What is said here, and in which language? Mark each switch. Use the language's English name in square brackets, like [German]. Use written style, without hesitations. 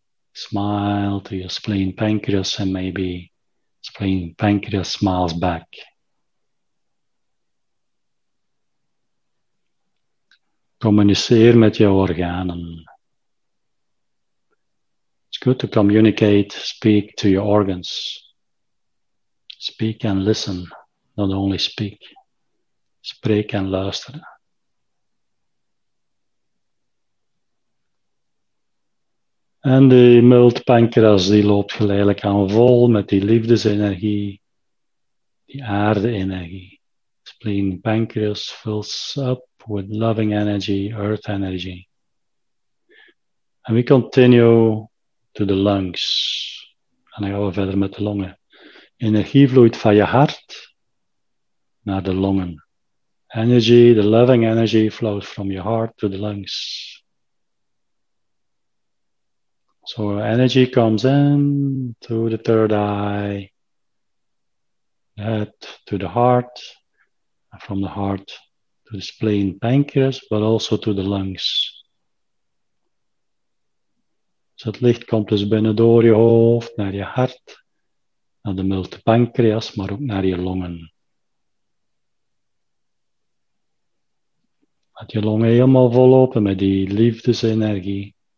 [English] Smile to your spleen pancreas and maybe spleen pancreas smiles back. [Dutch] Communiceer met jouw organen. [English] It's good to communicate, speak to your organs. Speak and listen, not only speak. [Dutch] Spreek en luister. En die mild pancreas die loopt geleidelijk aan vol met die liefdesenergie, die aarde-energie. [English] Spleen pancreas fills up with loving energy, earth energy. And we continue to the lungs. [Dutch] En dan gaan we verder met de longen. Energie vloeit van je hart naar de longen. [English] Energy, the loving energy flows from your heart to the lungs. So energy comes in to the third eye, head to the heart, and from the heart to the spleen pancreas, but also to the lungs. [Dutch] So het licht komt dus binnen door je hoofd, naar je hart, naar de mild pancreas, maar ook naar je longen. Laat je longen helemaal vol lopen met die liefdesenergie.